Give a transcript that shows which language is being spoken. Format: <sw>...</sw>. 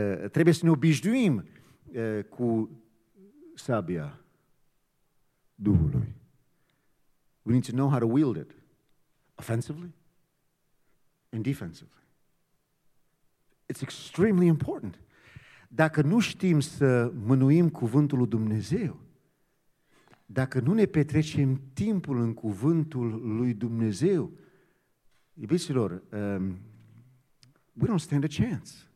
<ro>Trebuie să ne obișnuim cu sabia Duhului.</ro> <en>We need to know how to wield it offensively and defensively. It's extremely important.</en> <ro>Dacă nu știm să mânuim cuvântul lui Dumnezeu, dacă nu ne petrecem timpul în cuvântul lui Dumnezeu, iubiților,</ro> <en>we don't stand a chance.</en>